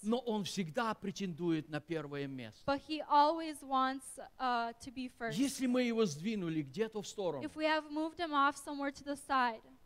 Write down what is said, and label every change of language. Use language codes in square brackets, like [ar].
[ru] Но Он всегда претендует на первое место. [en] But He always wants to be first. [ru] Если мы Его сдвинули где-то в сторону, [en] if we have moved Him off somewhere to the side,